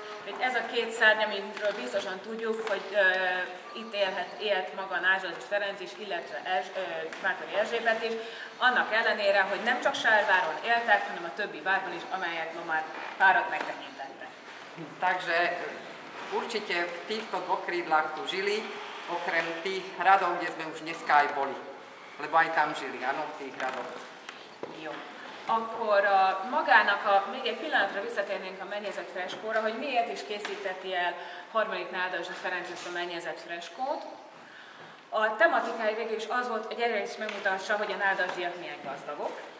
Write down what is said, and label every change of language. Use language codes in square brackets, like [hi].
[hu] Hogy ez a két szárny, amiről biztosan tudjuk, hogy itt élt maga Nádasdy Ferenc is, illetve Mártoni Erzsébet is, annak ellenére, hogy nem csak Sárváron éltek, hanem a többi várban is, amelyek ma már párat megtekintettek. [sk] Takže určite v týchto dvoch krídlách tu žili, okrem tých hradov, kde sme už dneska aj boli. Lebo aj tam žili, áno, v tých hradoch. [hu] Jó. Akkor magának a, még egy pillanatra visszatérnénk a mennyezet freskóra, hogy miért is készíteti el harmadik Nádasdy Ferenc ezt a mennyezet freskót. A tematikája végül is az volt, hogy egyrészt megmutassa, hogy a nádasdyak milyen gazdagok.